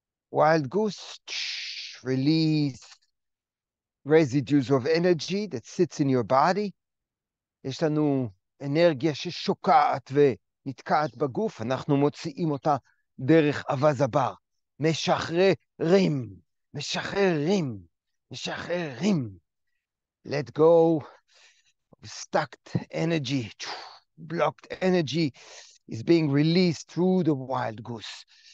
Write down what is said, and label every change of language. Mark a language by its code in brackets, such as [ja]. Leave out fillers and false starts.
[en] Wild goose, release residues of energy that sits in your body. [he] יש לנו אנרגיה ששוקעת ונתקעת בגוף, אנחנו מוציאים אותה דרך אווז הבר. משחררים, משחררים, משחררים. [en] Let go. Stacked energy, blocked energy is being released through the wild goose.